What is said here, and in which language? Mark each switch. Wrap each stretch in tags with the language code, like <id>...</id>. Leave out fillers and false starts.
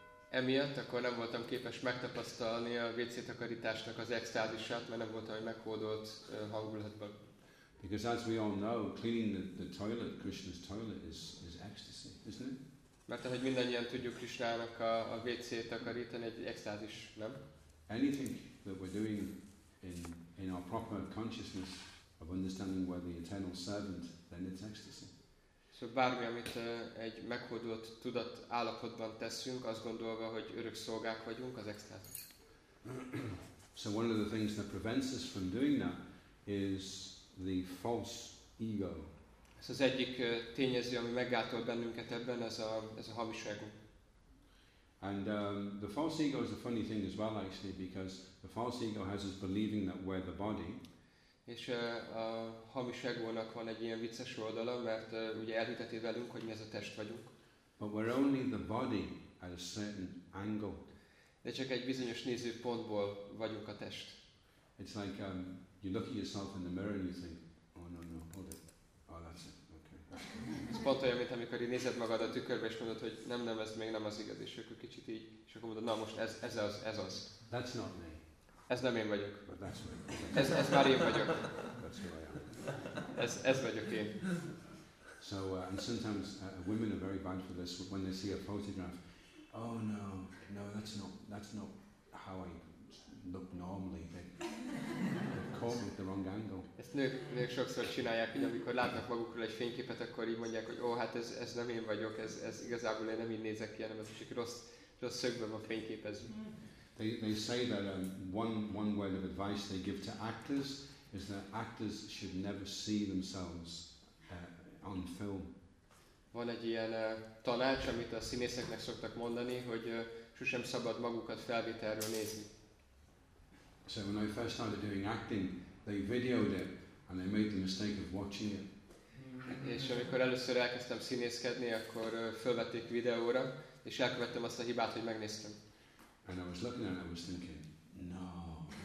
<hu>Emiatt akkor nem voltam képes megtapasztalni a WC-takarításnak az extázisát, mert nem voltam egy meghódolt hangulatban.</hu> <en>Because as we all know, cleaning the toilet, Krishna's toilet is ecstasy, isn't it?</en> <hu>Mert ahogy mindannyian tudjuk, Krisnának a WC-t takarítani egy extázis, nem?</hu> <en>Anything that we're doing in our proper consciousness of understanding we're the eternal servant, then it's ecstasy.</en> <hu>Szóval bármi, amit egy meghódult tudat állapotban teszünk, azt gondolva, hogy örök szolgák vagyunk, az extázis.</hu> <en>So one of the things that prevents us from doing that is the false ego.</en> <hu>Ez az egyik tényező, ami meggátol bennünket ebben, ez a hamis ego.</hu> <en>And the false ego is a funny thing as well, actually, because the false ego has us believing that we're the body.</en> <hu>És a hamis egónak van egy ilyen vicces oldala, mert ugye elhiteti velünk, hogy mi ez a test vagyunk.</hu> <en>But we're only the body at a certain angle.</en> <hu>De csak egy bizonyos nézőpontból vagyunk a test.</hu> <en>It's like you look at yourself in the mirror and you think, oh no, hold it. Oh, that's it. Okay.</en> <hu>Ez pont olyan, mint amikor így nézed magad a tükörbe és mondod, hogy nem, ez még nem az igaz, és akkor kicsit így, és akkor mondod, na most ez az.</hu> <en>That's not me.</en> <hu>Ez nem én vagyok.</hu> <en>But that's me.</en> <hu>Ez már én vagyok.</hu> <en>That's who I am.</en> <hu>Ez vagyok én.</hu> <en>So, and sometimes women are very bad for this, when they see a photograph. Oh no, no, that's not how I look normally. They've caught me at the wrong angle.</en> <hu>Ezt nők sokszor csinálják, hogy amikor látnak magukról egy fényképet, akkor így mondják, hogy hát ez nem én vagyok, ez igazából én nem így nézek ki, hanem ez csak rossz szögben van fényképezve.</hu> <en>They say that one word of advice they give to actors is that actors should never see themselves on film.</en> <hu>Van egy ilyen tanács, amit a színészeknek szoktak mondani, hogy sosem szabad magukat felvételről nézni.</hu> <en>So when I first started doing acting, they videoed it and they made the mistake of watching it.</en> <hu>És amikor először elkezdtem színészkedni, akkor felvették videóra, és elkövettem azt a hibát, hogy megnéztem.</hu> <en>And I was looking at it and I was thinking, no.</en>